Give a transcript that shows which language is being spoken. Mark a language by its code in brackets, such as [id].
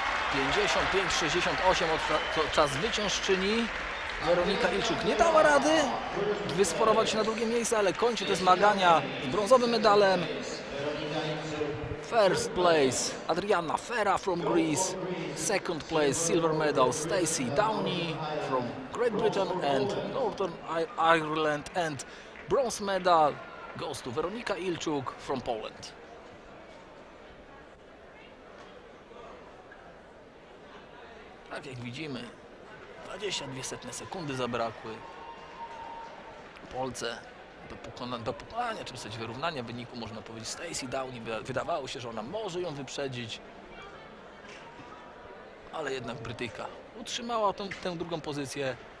[pl] 55-68, to czas wyciąż czyni. Weronika Ilczuk nie dała rady wysporować się na drugie miejsce, ale kończy te zmagania z brązowym medalem. [en] First place Adriana Fera from Greece, second place silver medal Stacey Downey from Great Britain and Northern Ireland, and bronze medal goes to Weronika Ilczuk from Poland. [pl] Tak jak widzimy, 22 setne sekundy zabrakły Polce do pokonania, czy w zasadzie wyrównania wyniku, można powiedzieć. Stacey Downey, wydawało się, że ona może ją wyprzedzić, ale jednak Brytyjka utrzymała tę drugą pozycję.